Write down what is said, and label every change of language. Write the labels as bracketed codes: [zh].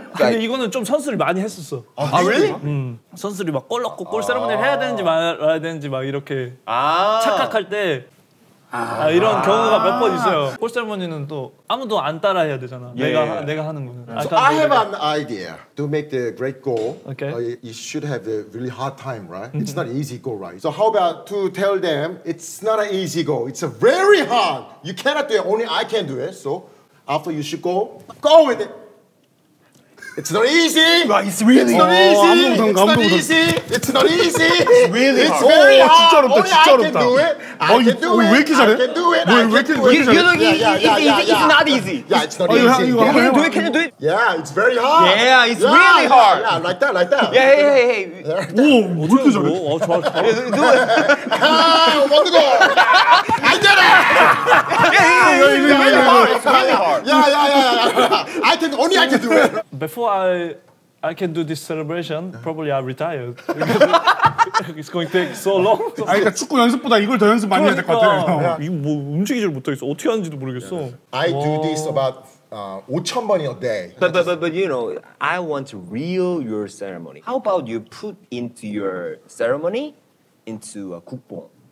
[ko] 근데 이거는 좀 선수를 많이 했었어. [en] 아, really? [ko] 선수들이 막 골 넣고 골 세레모니를 해야 되는지 말아야 되는지 막 이렇게 착각할 때 이런 경우가 몇 번 있어요. 골 세레모니는 또 아무도 안 따라해야 되잖아. Yeah. 내가 하는 거는. [en] So I have an idea to make the great goal. Okay. You should have the really hard time, right? It's not an easy goal, right? So how about to tell them it's not an easy goal. It's a very hard. You cannot do it. Only I can do it. So after you should go with it. It's not easy. Right, it's really it's not easy. It's not easy. It's not easy. It's really it's hard. Very hard. [ko] 진짜 어렵다. 진짜 어렵다. [en] I can do it. I can do it. You look it's not easy. Yeah, it's not easy. Can you do it? Yeah, it's very hard. Yeah, it's really hard. Yeah, like that. Yeah, hey. [ko] 오, 어떻게 잘해? 어, 좋아. [en] Do it. Ah, one goal. I did it. It's really hard. Yeah. I can do it. Before I can do this celebration, probably I retired. It's going to take so long. [ko] 아, 그러니까 축구 연습보다 이걸 더 연습 많이 해야 될 것 같아요. 이거 뭐 움직이질 못하겠어. 어떻게 하는지도 모르겠어. [en] I do this about 5,000번이 a day. But you know, I want to reel your ceremony. How about you put into your ceremony into a 국뽕?